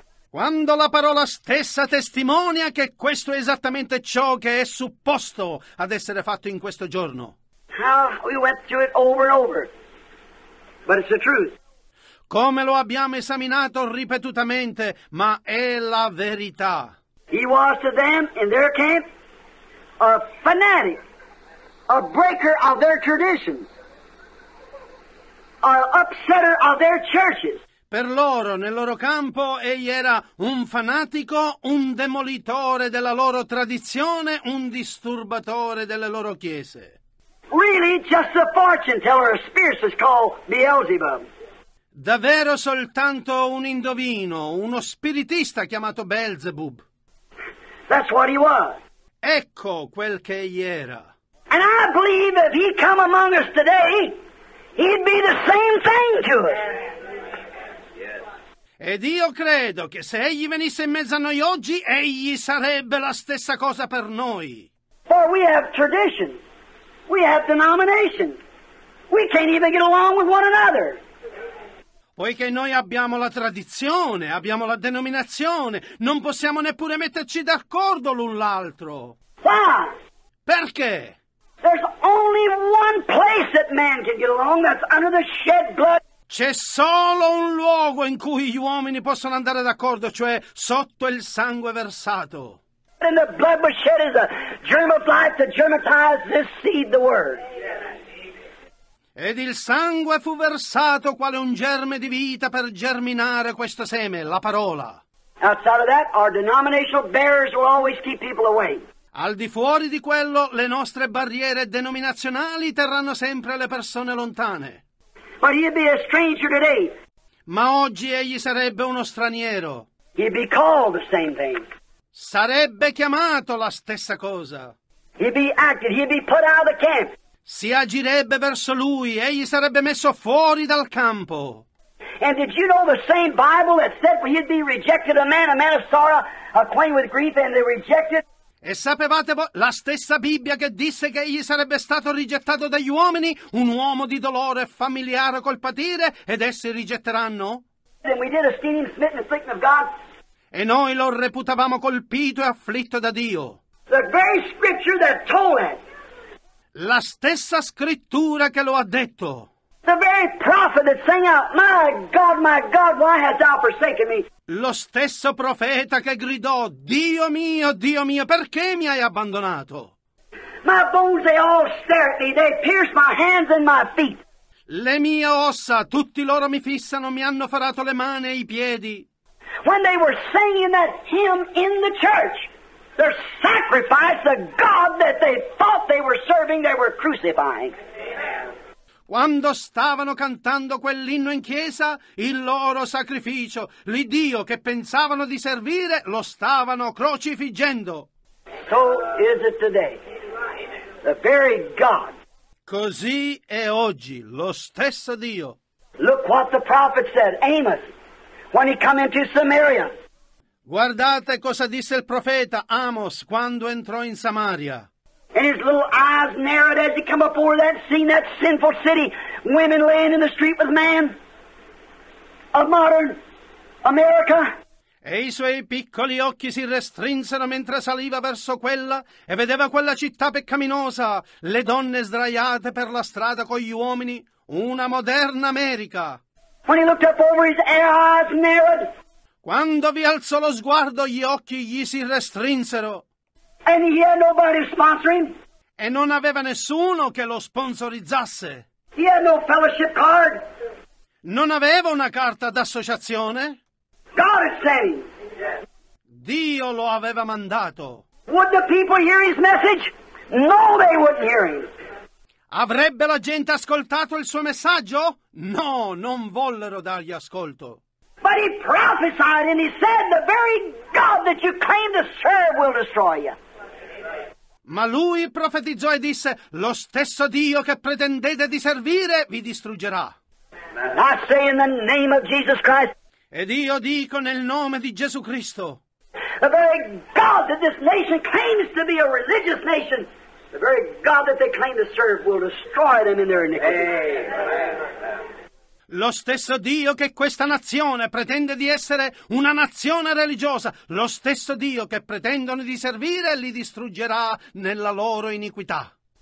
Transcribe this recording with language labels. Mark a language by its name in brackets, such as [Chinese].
[Italian] Quando la parola stessa testimonia che questo è esattamente ciò che è supposto ad essere fatto in questo giorno. [English] We went through it over and over. But it's the truth. [Italian] Come lo abbiamo esaminato ripetutamente, ma è la verità. [English] He was to them in their camp a fanatic, a breaker of their traditions, an upsetter of their churches. [Italian] Per loro, nel loro campo, egli era un fanatico, un demolitore della loro tradizione, un disturbatore delle loro chiese. [English] Really, just a fortune teller, a spirit is called Beelzebub. [Italian] Davvero soltanto un indovino, uno spiritista chiamato Beelzebub. [English] That's what he was. [Italian] Ecco quel che egli era. [English] And I believe if he come among us today, he'd be the same thing to us. [Italian] Ed io credo che se egli venisse in mezzo a noi oggi, egli sarebbe la stessa cosa per noi. [English] For we have tradition, we have denomination, we can't even get along with one another. [Italian] poiché noi abbiamo la tradizione, abbiamo la denominazione, non possiamo neppure metterci d'accordo l'un l'altro. [English] Why? [Italian] Perché? [English] There's only one place that man can get along, that's under the shed blood. [Italian] C'è solo un luogo in cui gli uomini possono andare d'accordo, cioè sotto il sangue versato. [English] And the blood was shed is a germ of life to germatize this seed, the word. [Italian] Ed il sangue fu versato quale un germe di vita per germinare questo seme, la parola. [English] Outside of that, our denominational barriers will always keep people away. [Italian] Al di fuori di quello, le nostre barriere denominazionali terranno sempre le persone lontane. [English] But he'd be a stranger today. [Italian] Ma oggi egli sarebbe uno straniero. [English] He'd be called the same thing. [Italian] Sarebbe chiamato la stessa cosa. [English] He'd be acted, he'd be put out of the camp. [Italian] Si agirebbe verso lui, egli sarebbe messo fuori dal campo. [English] And did you know the same Bible that said he'd be rejected, a man of sorrow, acquainted with grief, and they rejected? [Italian] E sapevate la stessa Bibbia che disse che egli sarebbe stato rigettato dagli uomini, un uomo di dolore, familiare col patire, ed essi rigetteranno? [English] Then we did esteem him smitten, afflicted of God. [Italian] E noi lo reputavamo colpito e afflitto da Dio. [English] The very scripture that told it. [Italian] La stessa scrittura che lo ha detto. [English] The very prophet that sang out, my God, why hast thou forsaken me? [Italian] Lo stesso profeta che gridò, Dio mio, perché mi hai abbandonato? [English] My bones, they all stare at me, they pierce my hands and my feet. [Italian] Le mie ossa, tutti loro mi fissano, mi hanno farato le mani e i piedi. [English] When they were singing that hymn in the church, their sacrifice, the God that they thought they were serving, they were crucifying. [Italian] Quando stavano cantando quell'inno in chiesa, il loro sacrificio, l'Iddio che pensavano di servire, lo stavano crocifiggendo. [English] So is it today. The very God. [Italian] Così è oggi, lo stesso Dio. [English] Look what the prophet said, Amos, when he come into Samaria. [Italian] Guardate cosa disse il profeta Amos quando entrò in Samaria. [English] And his little eyes narrowed as he came before that scene, that sinful city, women laying in the street with man, of modern America. [Italian] E i suoi piccoli occhi si restrinsero mentre saliva verso quella e vedeva quella città peccaminosa, le donne sdraiate per la strada con gli uomini, una moderna America. [English] When he looked up over, his eyes narrowed. [Italian] Quando vi alzò lo sguardo, gli occhi gli si restrinsero. [English] And he had nobody sponsoring. [Italian] E non aveva nessuno che lo sponsorizzasse. [English] He had no fellowship card. [Italian] Non aveva una carta d'associazione. [English] God had sent him. [Italian] Dio lo aveva mandato. [English] Would the people hear his message? No, they wouldn't hear him. [Italian] Avrebbe la gente ascoltato il suo messaggio? No, non vollero dargli ascolto. [English] But he prophesied and he said, the very God that you claim to serve will destroy you. [Italian] Ma lui profetizzò e disse, lo stesso Dio che pretendete di servire vi distruggerà. [English] I say in the name of Jesus Christ. [Italian] Ed io dico nel nome di Gesù Cristo. [English] The very God that this nation claims to be a religious nation, the very God that they claim to serve will destroy them in their iniquity. Amen. [Italian] Lo stesso Dio che questa nazione pretende di essere una nazione religiosa, lo stesso Dio che pretendono di servire li distruggerà nella loro iniquità.